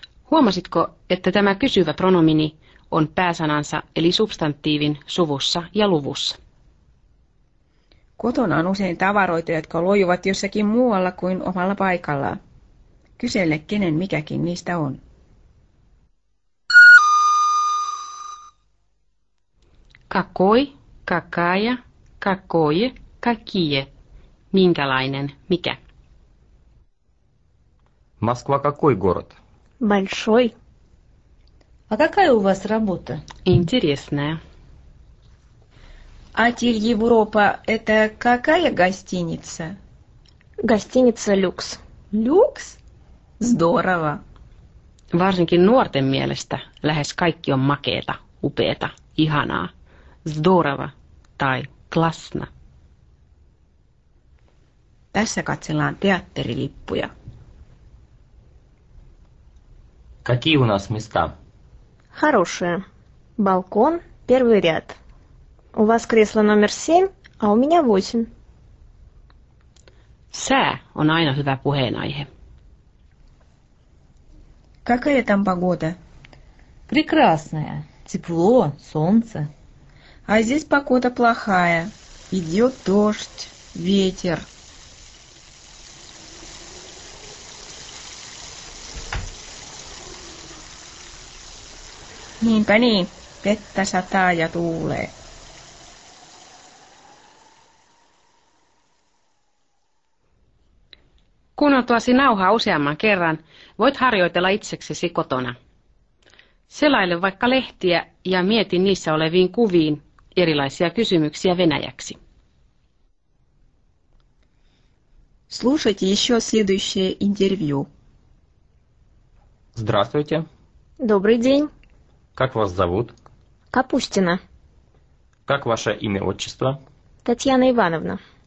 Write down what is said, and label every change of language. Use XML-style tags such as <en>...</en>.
<fi>Huomasitko, että tämä kysyvä pronomini on pääsanansa, eli substantiivin, suvussa ja luvussa? Kotona on usein tavaroita, jotka lojuvat jossakin muualla kuin omalla paikallaan. Kysele, kenen mikäkin niistä on.</fi> <ru>Какой, какая, какое, какие.</ru> <fi>Minkälainen, mikä.</fi> <ru>Москва какой город? Большой. А какая у вас работа? Интересная. Отель Европа – это какая гостиница? Гостиница «Люкс». «Люкс»? Здорово!</ru> <fi>Varsinkin nuorten mielestä lähes kaikki on makeeta, upeeta, ihanaa.</fi> <ru>Здорово tai классно.</ru> <fi>Tässä katsellaan teatterilippuja.</fi> <ru>Какие у нас места? Хорошие. Балкон, первый ряд. У вас кресло номер 7, а у меня 8.</ru> <fi>Сää on aina hyvä puheenaihe.</fi> <ru>Какая там погода? Прекрасная. Тепло, солнце. А здесь погода плохая. Идет дождь, ветер.</ru> <fi>Niinpä niin, vettä sataa ja tuulee. Kuunneltuasi nauhaa useamman kerran, voit harjoitella itseksesi kotona. Selaile vaikka lehtiä ja mieti niissä oleviin kuviin erilaisia kysymyksiä venäjäksi.</fi> <ru>Слушайте еще следующее интервью. Здравствуйте. Добрый день. Как вас зовут? Капустина. Как ваше имя, отчество? Татьяна Ивановна.</ru>